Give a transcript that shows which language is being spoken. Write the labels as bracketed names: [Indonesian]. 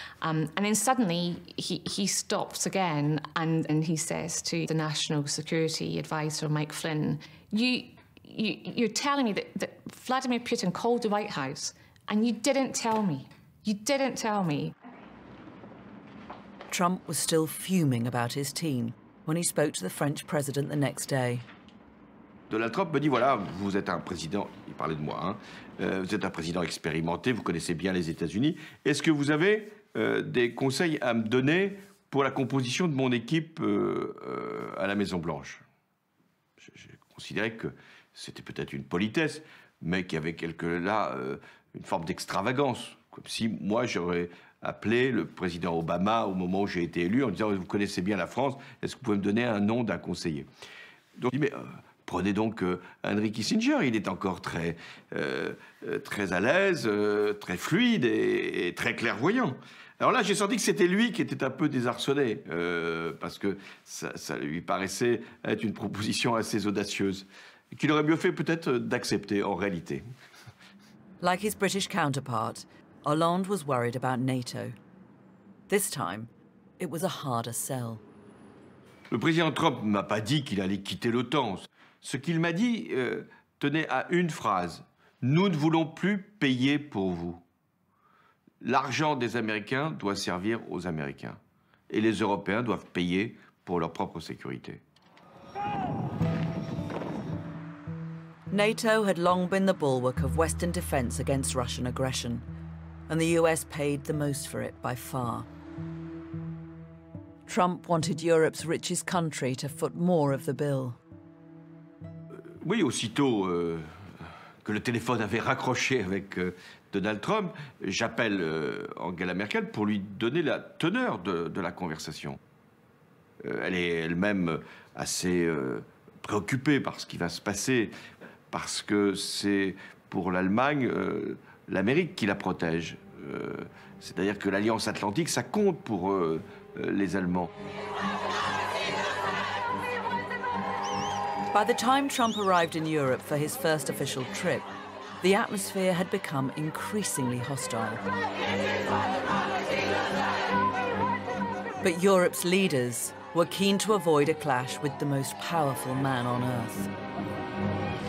[English] And then suddenly he stops again and he says to the National Security Advisor, Mike Flynn, you're telling me that Vladimir Putin called the White House and you didn't tell me. You didn't tell me. Trump was still fuming about his team when he spoke to the French president the next day. [French] Donald Trump me dit, voilà, vous êtes un président, il parlait de moi, hein. Vous êtes un président expérimenté, vous connaissez bien les États-Unis. Est-ce que vous avez des conseils à me donner pour la composition de mon équipe à la Maison-Blanche? J'ai considéré que c'était peut-être une politesse, mais qu'il y avait une forme d'extravagance. Comme si moi, j'aurais appelé le président Obama au moment où j'ai été élu en disant, vous connaissez bien la France, est-ce que vous pouvez me donner un nom d'un conseiller? Donc, mais prenez donc Henry Kissinger, il est encore très, très à l'aise, très fluide et très clairvoyant. Alors là, j'ai senti que c'était lui qui était un peu désarçonné, parce que ça lui paraissait être une proposition assez audacieuse, qu'il aurait mieux fait peut-être d'accepter en réalité. [English] Like his British counterpart, Hollande was worried about NATO. This time, it was a harder sell. [French] Le président Trump m'a pas dit qu'il allait quitter l'OTAN. Ce qu'il m'a dit tenait à une phrase. Nous ne voulons plus payer pour vous. L'argent des Américains doit servir aux Américains. Et les Européens doivent payer pour leur propre sécurité. [English] NATO had long been the bulwark of Western defense against Russian aggression, and the US paid the most for it by far. Trump wanted Europe's richest country to foot more of the bill. [French] Oui, aussitôt que le téléphone avait raccroché avec Donald Trump, j'appelle Angela Merkel pour lui donner la teneur de la conversation. Elle est elle-même assez préoccupée par ce qui va se passer, parce que c'est pour l'Allemagne l'Amérique qui la protège. C'est-à-dire que l'Alliance Atlantique, ça compte pour les Allemands. [English] By the time Trump arrived in Europe for his first official trip, the atmosphere had become increasingly hostile. But Europe's leaders were keen to avoid a clash with the most powerful man on Earth.